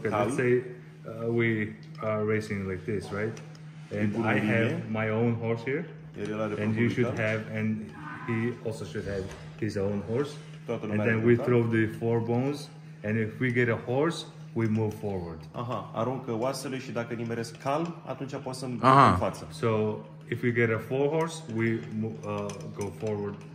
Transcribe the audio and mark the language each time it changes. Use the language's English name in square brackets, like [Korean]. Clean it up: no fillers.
[English] Okay, let's say we are racing like this, right? And I have my own horse here, and you should have, and he also should have his own horse. And then we throw the four bones, and if we get a horse, we move forward. [Romanian] Aha, aruncă oasele și dacă nimeresc cal, atunci poți să-mi duc în față. [English] So, if we get a four horse, we go forward.